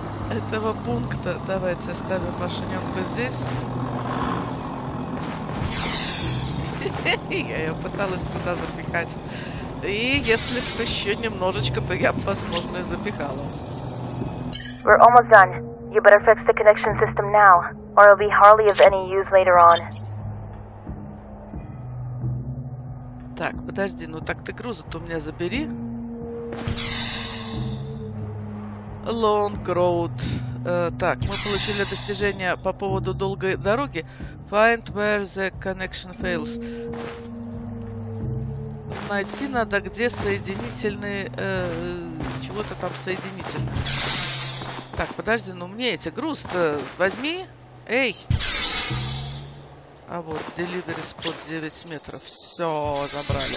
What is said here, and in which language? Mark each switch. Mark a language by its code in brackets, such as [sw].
[ru] этого пункта. Давайте оставим машиненку здесь. Я ее пыталась туда запихать. И если бы еще немножечко, то я бы, возможно, и запихала. [en] We're almost done. You better fix the connection system now. Or it'll be hardly of any use later on. [ru] Так, подожди, ну так ты грузы-то у меня забери. [en] Long road. [ru] Так, мы получили достижение по поводу долгой дороги. [en] Find where the connection fails. [ru] Найти надо, где соединительные... чего-то там соединительное. Так, подожди, ну мне эти грузы-то возьми. Эй! А вот, [en] delivery spot [ru] 9 метров. Все, забрали.